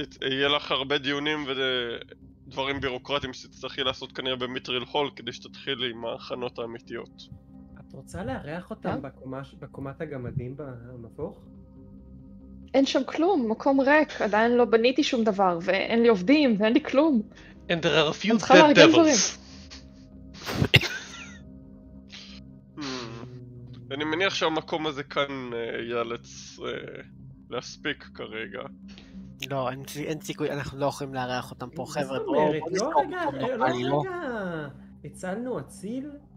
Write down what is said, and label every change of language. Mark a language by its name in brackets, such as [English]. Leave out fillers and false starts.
[Hebrew] יהיה לך הרבה דיונים ודברים בירוקרטיים שתצטרכי לעשות כנראה במיטריל הול כדי שתתחילי עם ההכנות האמיתיות. את רוצה לארח אותם בקומת הגמדים במבוך? אין שם כלום, מקום ריק, עדיין לא בניתי שום דבר, ואין לי עובדים, ואין לי כלום. [English] And there are a few dead devils. [Hebrew] אני מניח שהמקום הזה כאן יאלץ להספיק כרגע. לא, אין סיכוי, אנחנו לא יכולים לארח אותם פה, חבר'ה. זאת אומרת, לא רגע, הצלנו אציל?